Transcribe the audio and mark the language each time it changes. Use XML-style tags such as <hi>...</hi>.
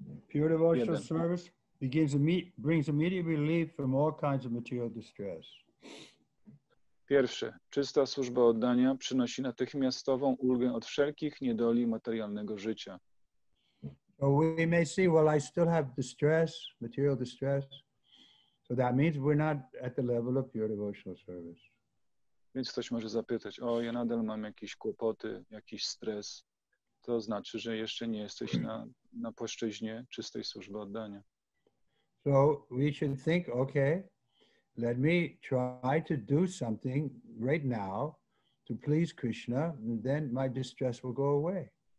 <en>pure devotional service brings immediate relief from all kinds of material distress.</en> <pl>Pierwsze, czysta służba oddania przynosi natychmiastową ulgę od wszelkich niedoli materialnego życia.</pl> <en>So we may see, well, I still have distress, material distress. So that means we're not at the level of pure devotional service.</en> <pl>Więc ktoś może zapytać, o, ja nadal mam jakieś kłopoty, jakiś stres. To znaczy, że jeszcze nie jesteś na płaszczyźnie czystej służby oddania.</pl> <en>So we should think, okay, let me try to do something right now to please Krishna, and then my distress will go away.</en>